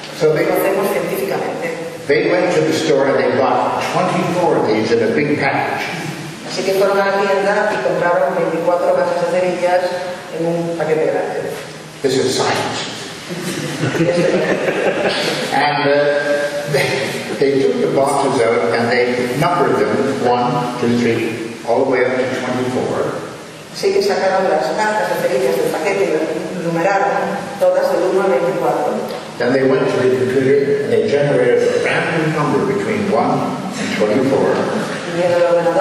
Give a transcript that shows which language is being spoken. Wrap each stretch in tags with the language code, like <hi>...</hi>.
<en>So they went to the store and they bought 24 of these in a big package.</en> <es>Así que fueron a la tienda y compraron 24 cajas de cerillas en un paquete grande.</es> <en>This is science. And they took the boxes out and they numbered them 1, 2, 3, all the way up to 24.</en> <es>Así que sacaron las cajas de cerillas del paquete y numeraron todas del 1 al 24.</es> <en>Then they went to the computer and they generated a random number between 1 and 24.</en>